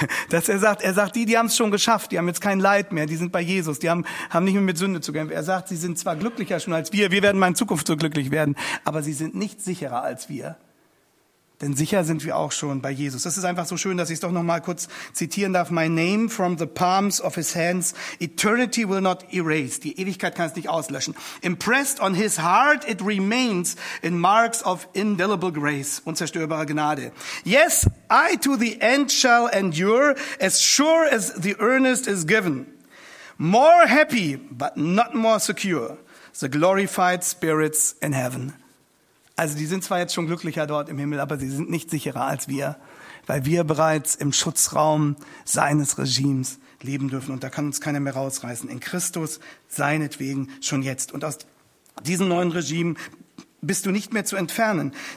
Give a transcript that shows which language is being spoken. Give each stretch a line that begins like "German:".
German: Dass er sagt, die haben es schon geschafft, die haben jetzt kein Leid mehr, die sind bei Jesus, die haben nicht mehr mit Sünde zu kämpfen. Er sagt, sie sind zwar glücklicher schon als wir werden mal in Zukunft so glücklich werden, aber sie sind nicht sicherer als wir. Denn sicher sind wir auch schon bei Jesus. Das ist einfach so schön, dass ich es doch noch mal kurz zitieren darf.
English: My name from the palms of his hands, eternity will not erase.
German: Die Ewigkeit kann es nicht auslöschen.
English: Impressed on his heart, it remains in marks of indelible grace.
German: Unzerstörbare Gnade.
English: Yes, I to the end shall endure, as sure as the earnest is given. More happy, but not more secure, the glorified spirits in heaven.
German: Also die sind zwar jetzt schon glücklicher dort im Himmel, aber sie sind nicht sicherer als wir, weil wir bereits im Schutzraum seines Regimes leben dürfen. Und da kann uns keiner mehr rausreißen. In Christus seinetwegen schon jetzt. Und aus diesem neuen Regime bist du nicht mehr zu entfernen.